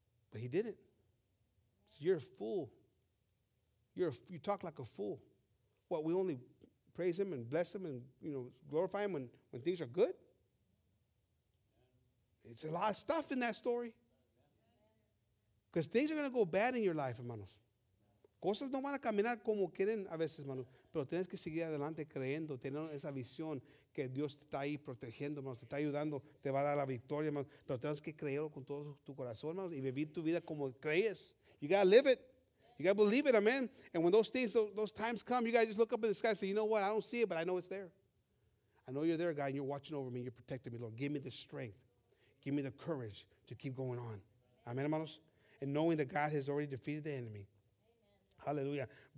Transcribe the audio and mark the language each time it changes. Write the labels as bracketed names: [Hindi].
[English] But he didn't. So you're a fool. You talk like a fool. What, we only praise him and bless him and, you know, glorify him when things are good? It's a lot of stuff in that story. Because things are going to go bad in your life, hermanos. [Spanish] Cosas no van a caminar como quieren a veces, hermanos. Pero tienes que seguir adelante creyendo, teniendo esa visión que Dios te está ahí protegiendo, hermanos, te está ayudando, te va a dar la victoria, hermanos. Pero tienes que creerlo con todo tu corazón, hermanos, y vivir tu vida como crees. [English] You got to live it. You got to believe it, amen. And when those things, those times come, you got to just look up in the sky and say, you know what, I don't see it, but I know it's there. I know you're there, God, and you're watching over me, you're protecting me, Lord. Give me the strength. Give me the courage to keep going on. Amen, hermanos. And knowing that God has already defeated the enemy. Amen. Hallelujah.